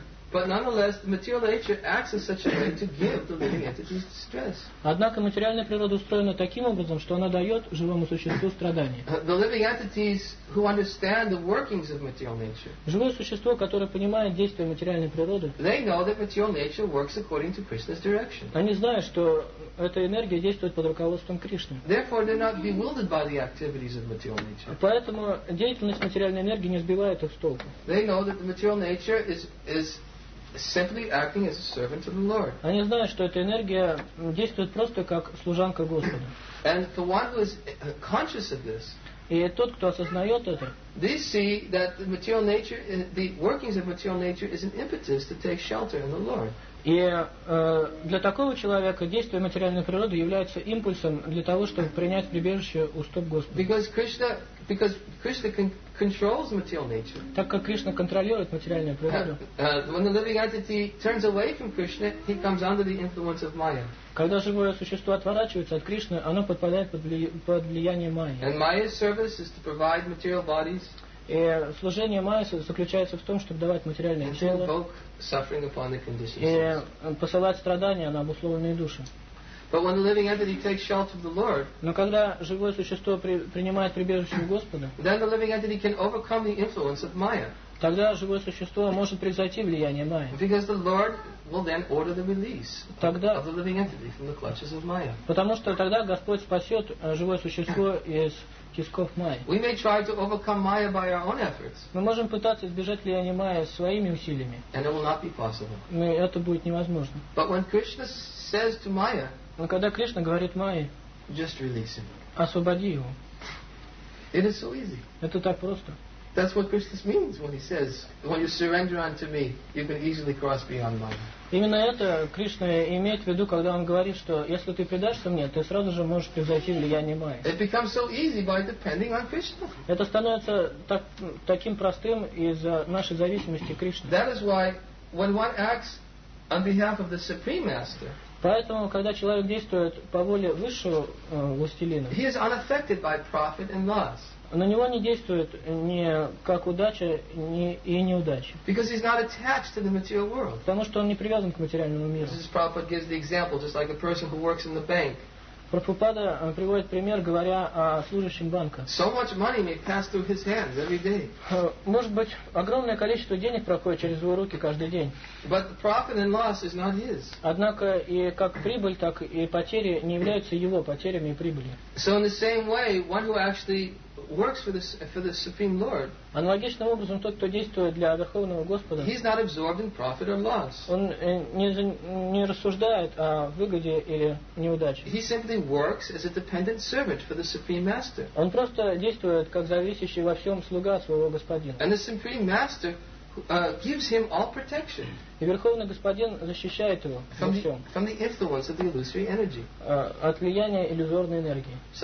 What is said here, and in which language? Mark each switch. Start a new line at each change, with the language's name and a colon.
English: But nonetheless, the material nature acts in such a way to give the living entities distress.
Russian: Однако материальная природа устроена таким образом, что она дает живому существу страдания.
English: The living entities who understand the workings of material nature.
Russian: Живое существо, которое понимает действия материальной природы.
English: They know that material nature works according to Krishna's direction.
Russian: Они знают, что эта энергия действует под руководством Кришны.
English: Therefore, they're not bewildered by the activities of material nature.
Russian: Поэтому деятельность материальной энергии не сбивает их с толку.
English: They know that the material nature is simply acting as a servant of the Lord.
Russian: Они знают, что эта энергия действует просто как служанка Господа.
English: And the one who is conscious of this,
Russian: и тот, кто осознает это,
English: they see that the material nature, the workings of material nature, is an impetus to take shelter in the Lord.
Russian: И для такого человека действие материальной природы является импульсом для того, чтобы принять прибежище у стоп Господа.
English: Because Krishna controls material nature.
Russian: Так как Кришна контролирует материальную природу.
English: When the living entity turns away from Krishna, he comes under the influence of Maya.
Russian: Когда живое существо отворачивается от Кришны, оно подпадает под влияние Майи.
English: And Maya's service is to provide material bodies.
Russian: И служение Майи заключается в том, чтобы давать материальное тело.
English: Suffering upon the conditions.
Russian: И посылать страдания на обусловленные души.
English: But when the living entity takes shelter of the Lord,
Russian: но когда живое существо принимает прибежище у Господа,
English: then the living entity can overcome the influence of Maya.
Russian: Тогда живое существо может превзойти влияние Майи.
English: Because the Lord will then order the release of the living entity from the clutches of Maya.
Russian: Потому что тогда Господь спасет живое существо из кисков Майи.
English: We may try to overcome Maya by our own efforts.
Russian: Мы можем пытаться избежать влияния Майи своими усилиями.
English: And it will not be possible.
Russian: Но это будет невозможно.
English: But when Krishna says to Maya,
Russian: но когда Кришна говорит Майе,
English: just release him.
Russian: Освободи его.
English: It is so easy.
Russian: Это так просто.
English: That's what Krishna means when he says, when you surrender unto me, you can easily cross beyond Maya.
Russian: Именно это Кришна имеет в виду, когда он говорит, что если ты предашься мне, ты сразу же можешь превзойти влияние Майи.
English: It becomes so easy by depending on Krishna.
Russian: Это становится таким простым из-за нашей зависимости Кришны.
English: That is why when one acts on behalf of the Supreme Master,
Russian: поэтому, когда человек действует по воле высшего властелина,
English: he is unaffected by profit and loss.
Russian: На него не действует ни как удача, ни и неудача.
English: Because he's not attached to the material world.
Russian: Потому что он не привязан к материальному миру.
English: This is Prabhupada gives the example, just like a person who works in the bank.
Russian: Прабхупада приводит пример, говоря о служащем банка.
English: So much money may pass through his hands every day.
Russian: Может быть, огромное количество денег проходит через его руки каждый день.
English: But the profit and loss is not his.
Russian: Однако и как прибыль, так и потери не являются его потерями и прибылью.
English: So in the same way, one who actually works for the Supreme Lord.
Russian: Аналогичным образом, тот, кто действует для Верховного Господа,
English: he's not absorbed in profit or loss.
Russian: Он не рассуждает о выгоде или неудаче.
English: He simply works as a dependent servant for the Supreme Master.
Russian: Он просто действует как зависящий во всем слуга своего господина.
English: And the Supreme Master gives him all protection.
Russian: И Верховный Господин защищает его
English: from the, influence of the illusory energy.
Russian: От влияния иллюзорной энергии.